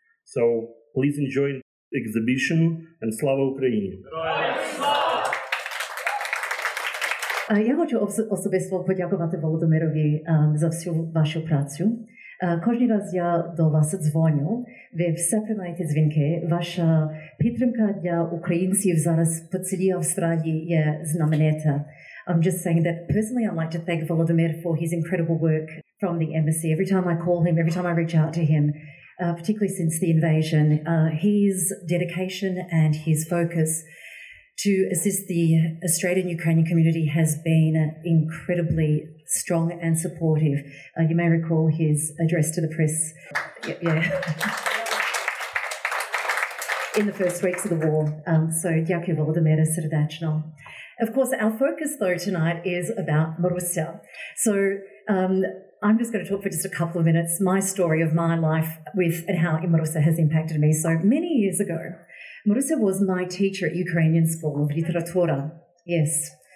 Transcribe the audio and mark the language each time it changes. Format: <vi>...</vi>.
<en>So please enjoy the exhibition, and Slava Ukraini!</en> <uk>Я хочу особисто подякувати Володимирові за всю вашу працю. Кожен раз я до вас дзвоню, ви все приймаєте дзвінки. Ваша підтримка для українців зараз по цілій Австралії є знаменита.</uk> <en>I'm just saying that personally I'd like to thank Volodymyr for his incredible work from the embassy. Every time I call him, every time I reach out to him, particularly since the invasion, his dedication and his focus to assist the Australian-Ukrainian community has been incredibly strong and supportive. You may recall his address to the press in the first weeks of the war.</en> <uk>So, дякую, Володимир, середачно.</uk> <en>Of course, our focus, though, tonight is about Маруся. So, I'm just going to talk for just a couple of minutes my story of my life with and how Маруся has impacted me. So, many years ago, Маруся was my teacher at Ukrainian School of Literatura. Yes.</en>